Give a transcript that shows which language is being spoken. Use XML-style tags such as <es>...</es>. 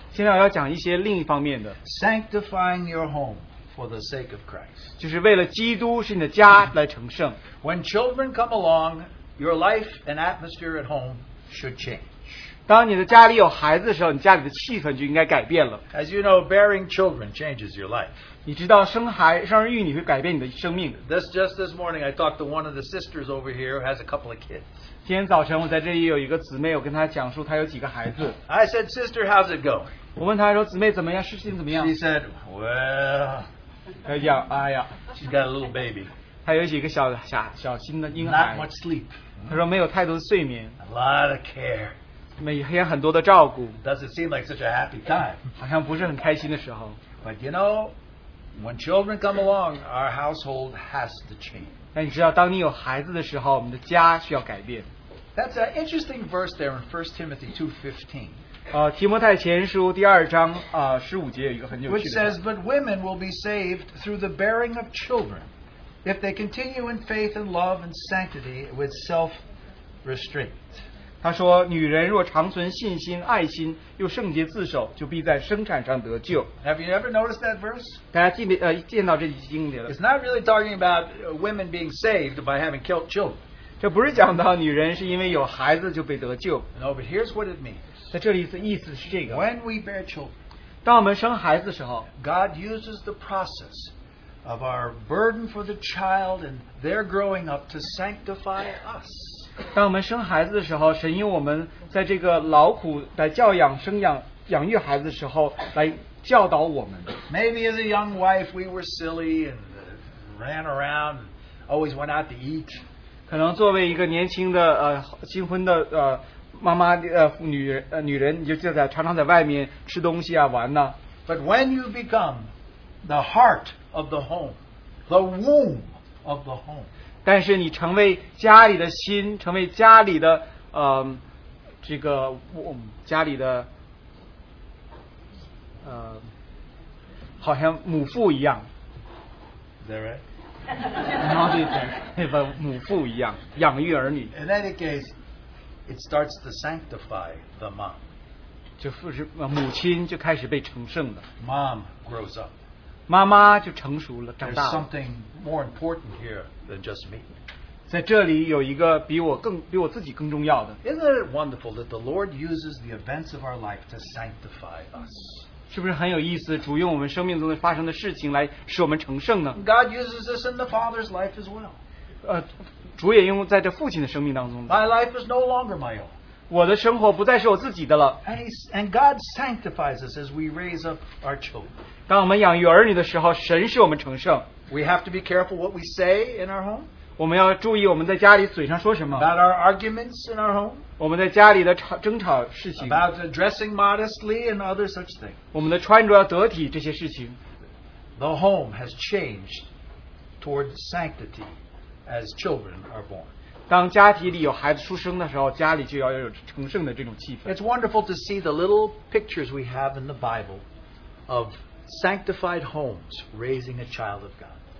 <zh>现在我要讲一些另一方面的。</zh> <en>Sanctifying your home. For the sake of Christ.</en> <zh>就是为了基督是你的家来成圣。</zh> <en>When children come along, your life and atmosphere at home should change.</en> <zh>当你的家里有孩子的时候，你家里的气氛就应该改变了。</zh> <en>As you know, bearing children changes your life.</en> <zh>你知道生儿育女会改变你的生命。</zh> <en>Just this morning, I talked to one of the sisters over here who has a couple of kids.</en> <zh>今天早晨我在这里有一个姊妹，我跟她讲述她有几个孩子。</zh> <en>I said, "Sister, how's it going?"</en> <zh>我问她说，姊妹怎么样，事情怎么样？</zh> <en>She said, "Well."</en> <zh>哎呀,</zh> <en>She's got a little baby.</en> <zh>她有几个小心的婴孩,</zh> <en>not much sleep.</en> <zh>她说没有太多的睡眠,</zh> <en>a lot of care.</en> <zh>每天很多的照顾,</zh> <en>doesn't seem like such a happy time.</en> <zh>好像不是很开心的时候,</zh> <en>but you know, when children come along, our household has to change.</en> <zh>但你知道当你有孩子的时候,</zh> <en>That's an interesting verse there in 1 Timothy 2:15.</en> <zh>提摩太前书第二章,</zh> <en>which says, but women will be saved through the bearing of children if they continue in faith and love and sanctity with self-restraint.</en> <zh>他说, 女人若长存信心,爱心,又圣洁自守,</zh> <en>have you ever noticed that verse?</en> <zh>大家见到这经典了,</zh> <en>it's not really talking about women being saved by having killed children.</en> <zh>这不是讲到女人是因为有孩子就被得救。</zh> <en>No, but here's what it means.</en> <zh>在这里意思是这个,</zh> <en>when we bear children,</en> <zh>当我们生孩子的时候,</zh> <en>God uses the process of our burden for the child and their growing up to sanctify us.</en> <zh>当我们生孩子的时候, 神用我们在这个劳苦来教养生养育孩子的时候, 来教导我们。</zh> <en>Maybe as a young wife, we were silly and ran around and always went out to eat.</en> <zh>可能作为一个年轻的, 新婚的, 妈妈女人你就在常常在外面吃东西啊玩呢。</zh> <en>But when you become the heart of the home, the womb of the home,</en> <zh>但是你成为家里的心，成为家里的 这个 家里的 好像母父一样。</zh> <en>Is that right?</en> <zh>然后就像母父一样养育儿女。</zh> <en>In any case, it starts to sanctify the mom.</en> <zh>就是母亲就开始被成圣了。</zh> <en>Mom grows up.</en> <zh>妈妈就成熟了，长大了。</zh> <en>There's something more important here than just me.</en> <zh>在这里有一个比我自己更重要的。</zh> <en>Isn't it wonderful that the Lord uses the events of our life to sanctify us?</en> <zh>是不是很有意思, 主用我们生命中发生的事情来使我们成圣呢?</zh> <en>God uses this in the Father's life as well.</en> <zh>主也用在这父亲的生命当中。</zh> <en>My life is no longer my own.</en> <zh>我的生活不再是我自己的了。</zh> <en>And God sanctifies us as we raise up our children.</en> <zh>当我们养育儿女的时候, 神使我们成圣。</zh> <en>We have to be careful what we say in our home.</en> <zh>我们要注意我们在家里嘴上说什么。</zh> <en>About our arguments in our home.</en> <zh>我们在家里的争吵事情,</zh> <en>About dressing modestly and other such things.</en> <zh>我们的穿着要得体, 这些事情。</zh> <en>The home has changed toward sanctity as children are born.</en> <zh>当家庭里有孩子出生的时候, 家里就要有成圣的这种气氮。</zh> <en>It's wonderful to see the little pictures we have in the Bible of sanctified homes raising a child of God.</en>